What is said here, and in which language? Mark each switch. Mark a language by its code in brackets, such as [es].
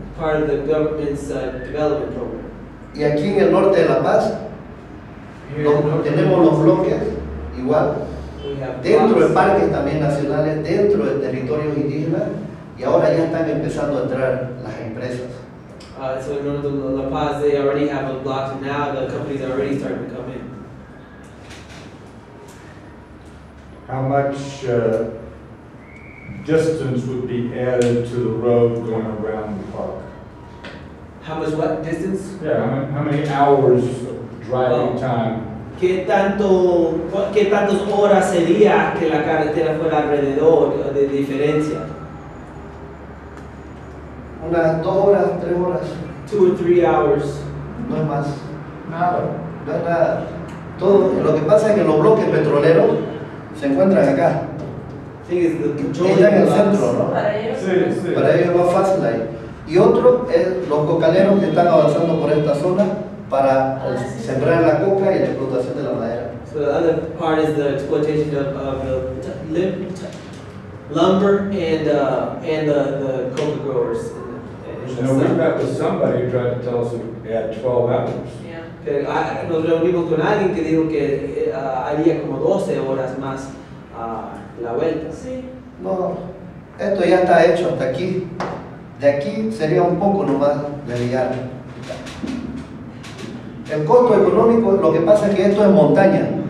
[en] Part of the government's development program. [es] Y aquí en el norte de La Paz, tenemos los bloques igual. Dentro de parques también nacionales, dentro de territorios indígenas, y ahora ya están empezando a entrar las empresas. [en] So in North of La Paz, they already have a block, and now the companies are already starting to come in. How much distance would be added to the road going around the park? How much what distance? Yeah, how many hours of driving time? [es] ¿Qué tantas horas sería que la carretera fuera alrededor de diferencia? Unas 2 horas, 3 horas. [en] 2 or 3 hours. [es] No es más. Nada. Nada. Todo. Lo que pasa es que los bloques petroleros se encuentran acá. Sí, es el centro, ¿no? Para ellos. Sí, sí. Para ellos es más fácil ahí. Y otro es los cocaleros que están avanzando por esta zona para sembrar la coca y la explotación de la madera. [en] So the other part is the exploitation of the lumber and the coca growers. We met with somebody who tried to tell us we had 12 hours. [es] Nos reunimos con alguien que dijo que haría como 12 horas más la vuelta. Sí. No, esto ya está hecho hasta aquí. De aquí sería un poco nomás de llegar. El costo económico, lo que pasa es que esto es montaña.